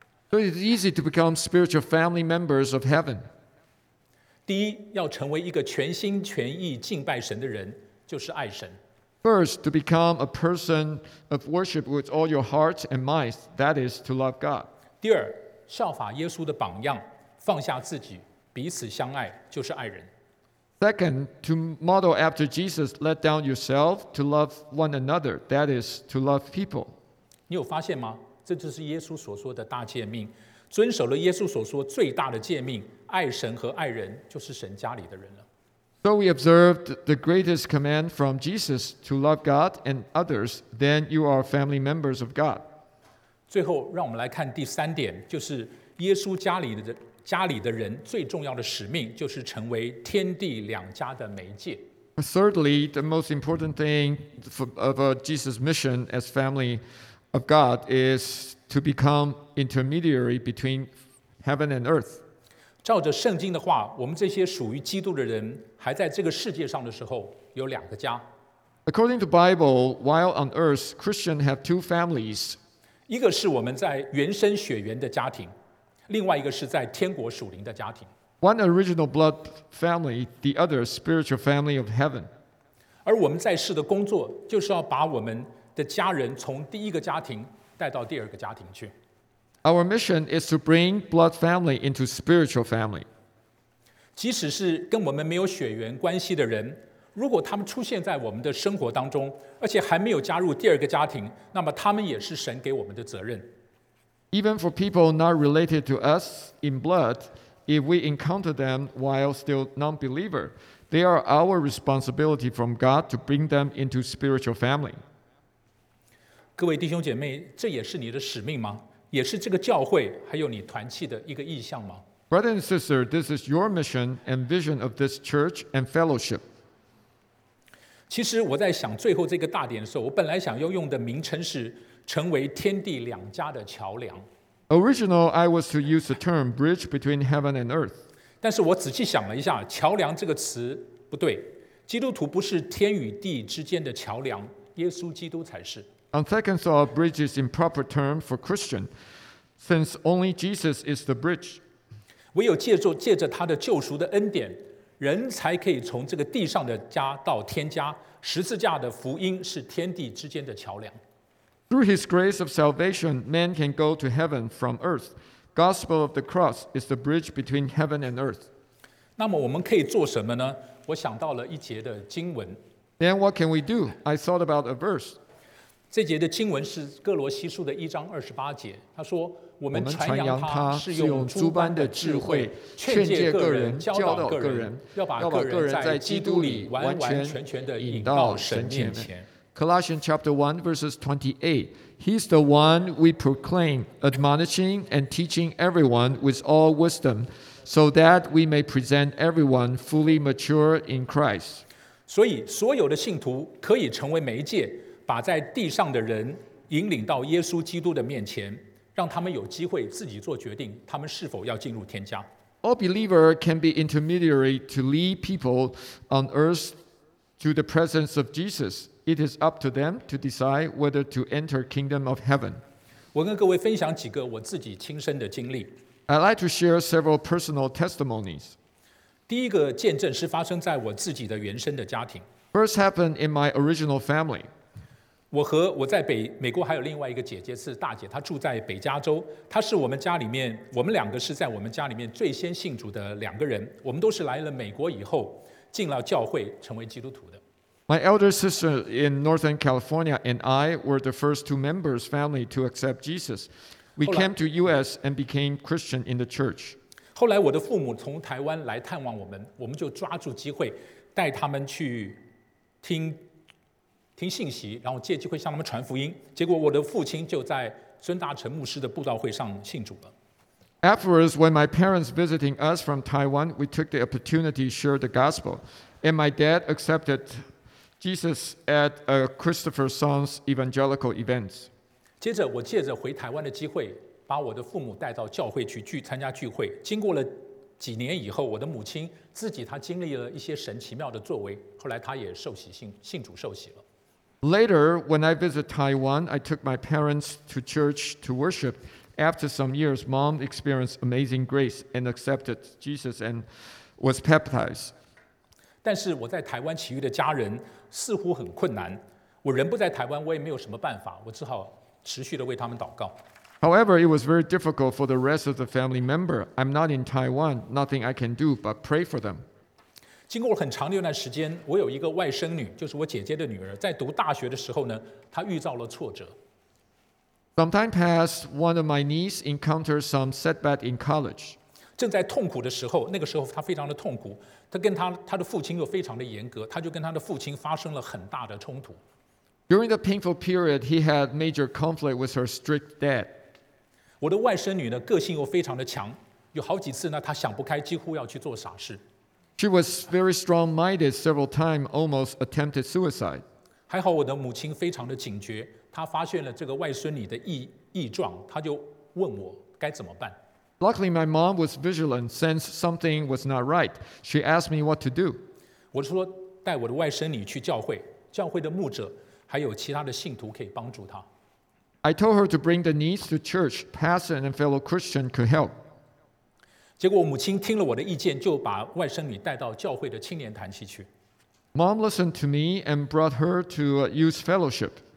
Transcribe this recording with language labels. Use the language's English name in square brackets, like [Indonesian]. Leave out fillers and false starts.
[English] So it's easy to become spiritual family members of heaven. [Chinese] 第一，要成为一个全心全意敬拜神的人，就是爱神。 [English] First, to become a person of worship with all your heart and mind, that is to love God. [Chinese] 第二，效法耶稣的榜样，放下自己，彼此相爱，就是爱人。 [English] Second, to model after Jesus, let down yourself to love one another, that is to love people. [Chinese] 你有发现吗？这就是耶稣所说的大诫命。遵守了耶稣所说最大的诫命，爱神和爱人，就是神家里的人了。 [English] So we observed the greatest command from Jesus to love God and others, then you are family members of God. [Chinese] 最后，让我们来看第三点，就是耶稣家里的人最重要的使命就是成为天地两家的媒介。 [English] Thirdly, the most important thing of Jesus' mission as family of God is to become intermediary between heaven and earth. [Chinese] 照着圣经的话，我们这些属于基督的人还在这个世界上的时候，有两个家。 [English] According to Bible, while on earth, Christians have two families. [Chinese] 一个是我们在原生血缘的家庭。另外一个是在天国属灵的家庭。 [English] One original blood family, the other spiritual family of heaven. [Chinese] 而我们在世的工作就是要把我们的家人从第一个家庭带到第二个家庭去。 [English] Our mission is to bring blood family into spiritual family. [Chinese] 即使是跟我们没有血缘关系的人，如果他们出现在我们的生活当中，而且还没有加入第二个家庭，那么他们也是神给我们的责任。 [English] Even for people not related to us in blood, if we encounter them while still non-believer, they are our responsibility from God to bring them into spiritual family. [Chinese] 各位弟兄姐妹，这也是你的使命吗？也是这个教会还有你团契的一个意向吗？ [English] Brother and sister, this is your mission and vision of this church and fellowship. [Chinese] 其实我在想最后这个大点的时候，我本来想要用的名称是成为天地两家的桥梁。 [English] Original, I was to use the term bridge between heaven and earth. [Chinese] 但是我仔细想了一下，桥梁这个词不对。基督徒不是天与地之间的桥梁，耶稣基督才是。 [English] On second thought, bridge is improper term for Christian, since only Jesus is the bridge. [Chinese] 唯有借着他的救赎的恩典，人才可以从这个地上的家到天家。十字架的福音是天地之间的桥梁。 [English] Through his grace of salvation, man can go to heaven from earth. Gospel of the cross is the bridge between heaven and earth. [Chinese] 那么我们可以做什么呢？我想到了一节的经文。 [English] Then what can we do? I thought about a verse. [Chinese] 这节的经文是哥罗西书的一章二十八节。他说：“ 我们传扬他是用诸般的智慧劝诫个人、教导个人，要把个人在基督里完完全全的引到神面前。” [English] Colossians chapter 1, verses 28. He's the one we proclaim, admonishing and teaching everyone with all wisdom, so that we may present everyone fully mature in Christ. [Chinese] 所以所有的信徒可以成为媒介，把在地上的人引领到耶稣基督的面前，让他们有机会自己做决定，他们是否要进入天家。 [English] All believers can be intermediary to lead people on earth to the presence of Jesus. It is up to them to decide whether to enter the kingdom of heaven. [Chinese] 我跟各位分享几个我自己亲身的经历。 [English] I'd like to share several personal testimonies. [Chinese] 第一个见证是发生在我自己的原生的家庭。 [English] First happened in my original family. [Chinese] 我和我在美国还有另外一个姐姐是大姐，她住在北加州，她是我们家里面，我们两个是在我们家里面最先信主的两个人，我们都是来了美国以后进了教会成为基督徒的。 [English] My elder sister in Northern California and I were the first two members family to accept Jesus. We came to U.S. and became Christian in the church. [Chinese] 后来我的父母从台湾来探望我们，我们就抓住机会带他们去听信息，然后借机会向他们传福音。结果我的父亲就在孙大成牧师的布道会上信主了。 [English] Afterwards, when my parents visiting us from Taiwan, we took the opportunity to share the gospel, and my dad accepted Jesus at a Christopher Song's evangelical event. [Chinese] 接着我借着回台湾的机会，把我的父母带到教会去参加聚会。经过了几年以后，我的母亲自己她经历了一些神奇妙的作为，后来她也受洗信主受洗了。 [English] Later, when I visit Taiwan, I took my parents to church to worship. After some years, mom experienced amazing grace and accepted Jesus and was baptized. [Chinese] 但是我在台湾其余的家人似乎很困难，我人不在台湾，我也没有什么办法，我只好持续地为他们祷告。 [English] However, it was very difficult for the rest of the family member. I'm not in Taiwan, nothing I can do but pray for them. [Chinese] 经过了很长的一段时间，我有一个外甥女，就是我姐姐的女儿，在读大学的时候呢，她遇到了挫折。 [English] Some time passed, one of my niece encountered some setback in college. [Chinese] 正在痛苦的时候，那个时候她非常的痛苦，她跟她的父亲又非常的严格，她就跟她的父亲发生了很大的冲突。 [English] During the painful period, he had major conflict with her strict dad. [Chinese] 我的外甥女呢，个性又非常的强，有好几次呢，她想不开，几乎要去做傻事。 [English] She was very strong-minded several times, almost attempted suicide. [Chinese] 还好我的母亲非常的警觉。他发现了这个外孙女的异状，他就问我该怎么办。 [English] Luckily, my mom was vigilant, sensed something was not right. She asked me what to do. [Chinese] 我说带我的外孙女去教会，教会的牧者还有其他的信徒可以帮助她。 [English] I told her to bring the niece to church. Pastor and fellow Christian could help. [Chinese] 结果母亲听了我的意见，就把外孙女带到教会的青年团契去。 [English] Mom listened to me and brought her to youth fellowship.